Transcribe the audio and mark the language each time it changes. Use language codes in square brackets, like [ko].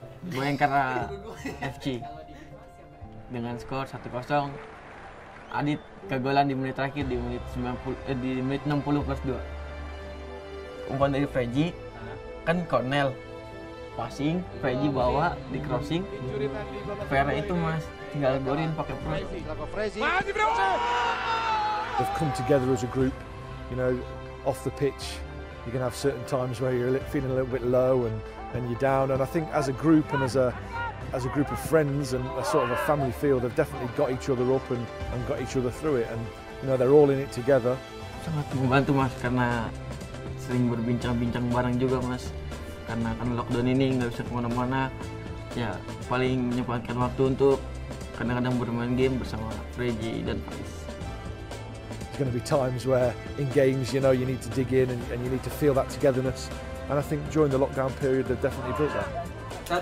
[id] Bayangkara FC dengan skor 1-0, Adit kegolan di menit terakhir di menit 60+2, umpan dari Freji kan Cornel. Passing, Freji bawa di crossing. Vera itu Mas, tinggal golin pakai Freji. [en] They've come together as a group, you know, off the pitch. You can have certain times where you're feeling a little bit low and you're down. And I think as a group and as a group of friends and a sort of a family feel, they've definitely got each other up and got each other through it. And you know, they're all in it together. [id] Sangat membantu Mas, karena sering berbincang-bincang bareng juga Mas. Karena kan lockdown ini nggak bisa kemana-mana, ya paling menyempatkan waktu untuk kadang-kadang bermain game bersama Reggie dan Faris. [en] There's going to be times where in games, you know, you need to dig in and you need to feel that togetherness. And I think during the lockdown period, they've definitely built that.